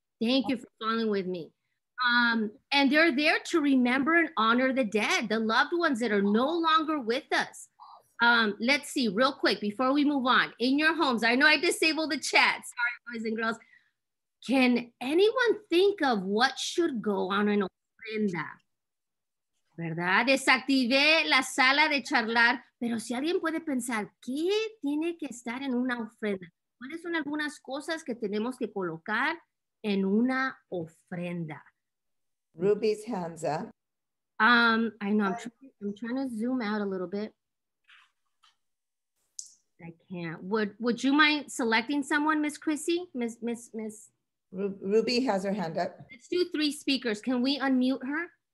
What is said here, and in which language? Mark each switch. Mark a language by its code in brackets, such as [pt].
[en] Thank you for following with me. And they're there to remember and honor the dead, the loved ones that are no longer with us. Let's see real quick before we move on. In your homes, I know I disabled the chat. Sorry, boys and girls. Can anyone think of what should go on an ofrenda? [es] ¿Verdad? Desactivé la sala de charlar, pero si alguien puede pensar, ¿qué tiene que estar en una ofrenda? ¿Cuáles son algunas cosas que tenemos que colocar en una ofrenda? [en] Ruby's hands up. I know, I'm trying to zoom out a little bit. I can't. Would you mind selecting someone, Miss Chrissy? Miss? Ruby has her hand up. Let's do three speakers. Can we unmute her?